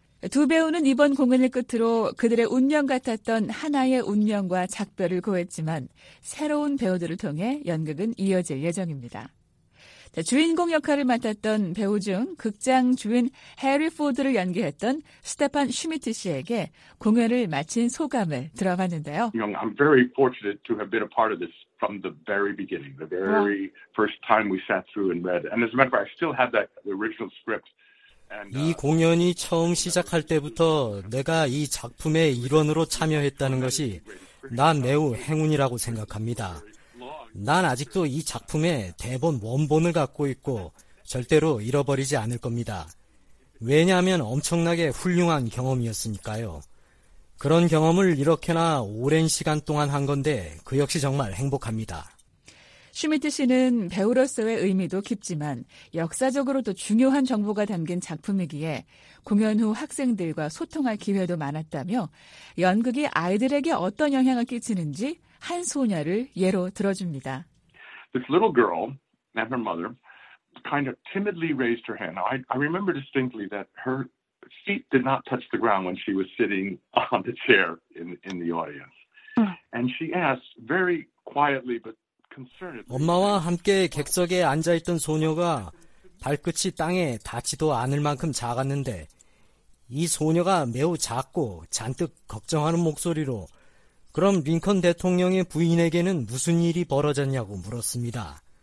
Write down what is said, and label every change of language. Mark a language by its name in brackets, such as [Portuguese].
[Korean] 두 배우는 이번 공연을 끝으로 그들의 운명 같았던 하나의 운명과 작별을 고했지만 새로운 배우들을 통해 연극은 이어질 예정입니다. 주인공 역할을 맡았던 배우 중 극장 주인 해리 포드를 연기했던 스테판 슈미트 씨에게 공연을 마친 소감을 들어봤는데요. [English] I'm very fortunate to have been a part of this from the very beginning, the very first time we sat through and read. And as a matter of fact, I still have that original script. [Korean] 이 공연이 처음 시작할 때부터 내가 이 작품의 일원으로 참여했다는 것이 난 매우 행운이라고 생각합니다. 난 아직도 이 작품의 대본 원본을 갖고 있고 절대로 잃어버리지 않을 겁니다. 왜냐하면 엄청나게 훌륭한 경험이었으니까요. 그런 경험을 이렇게나 오랜 시간 동안 한 건데 그 역시 정말 행복합니다. 슈미트 씨는 배우로서의 의미도 깊지만 역사적으로도 중요한 정보가 담긴 작품이기에 공연 후 학생들과 소통할 기회도 많았다며 연극이 아이들에게 어떤 영향을 끼치는지 한 소녀를 예로 들어줍니다. [English] This little girl and her mother kind of timidly raised her hand. I remember distinctly that her feet did not touch the ground when she was sitting on the chair in the audience. And she asked very quietly but [Korean] 엄마와 함께 객석에 앉아있던 소녀가 발끝이 땅에 닿지도 않을 만큼 작았는데 이 소녀가 매우 작고 잔뜩 걱정하는 목소리로 그럼 링컨 대통령의 부인에게는 무슨 일이 벌어졌냐고 물었습니다.